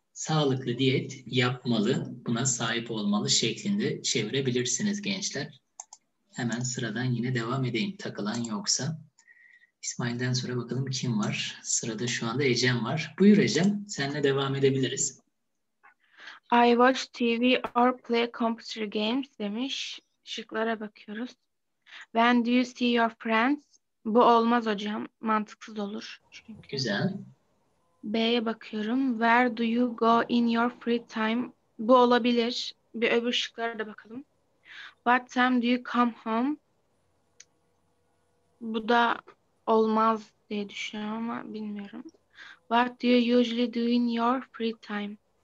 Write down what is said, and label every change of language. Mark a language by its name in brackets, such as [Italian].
[Turkish] sağlıklı diyet yapmalı, buna sahip olmalı şeklinde çevirebilirsiniz gençler. Hemen sıradan yine devam edeyim takılan yoksa. İsmail'den sonra bakalım kim var? Sırada şu anda Ecem var. Buyur Ecem, seninle devam edebiliriz. [English] I watch TV or play computer games demiş. Şıklara bakıyoruz. When do you see your friends? [Turkish] Bu olmaz hocam. Mantıksız olur. Çünkü. Güzel. B'ye bakıyorum. [English] Where do you go in your free time? [Turkish] Bu olabilir. Bir öbür şıklara da bakalım. [English] What time do you come home? [Turkish] Bu da olmaz diye düşünüyorum ama bilmiyorum. [English] What do you usually do in your free time?